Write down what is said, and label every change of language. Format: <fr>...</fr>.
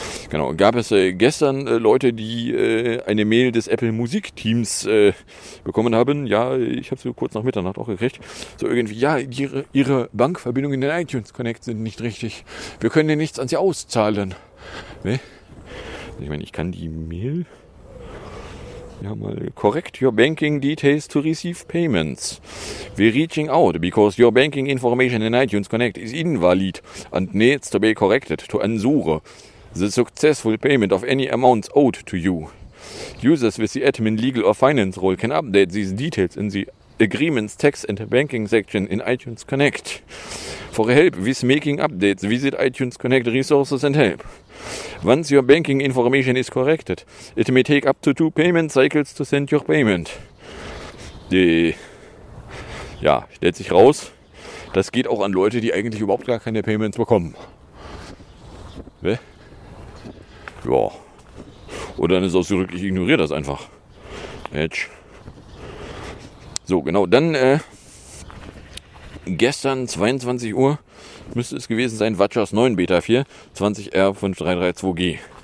<de>Genau, gab es gestern Leute, die eine Mail des Apple Musikteams bekommen haben. Ja, ich habe sie kurz nach Mitternacht auch gekriegt. So irgendwie, ja, ihre Bankverbindungen in den iTunes Connect sind nicht richtig. Wir können dir nichts an sie auszahlen. Ne? Ich meine, ich kann die Mail</de> <en>Ja, mal correct your banking details to receive payments. We're reaching out because your banking information in iTunes Connect is invalid and needs to be corrected to ensure the successful payment of any amounts owed to you. Users with the admin, legal or finance role can update these details in the agreements, tax and banking section in iTunes Connect. For help with making updates, visit iTunes Connect resources and help. Once your banking information is corrected, it may take up to 2 payment cycles to send your payment.</en> <de>Ja, stellt sich raus, das geht auch an Leute, die eigentlich überhaupt gar keine Payments bekommen. Hä? Ja. Oder dann ist auch so wirklich, ich ignoriere das einfach. Edge. So, genau, dann gestern 22 Uhr müsste es gewesen sein, Watchers 9 Beta 4 20R5332G.</de>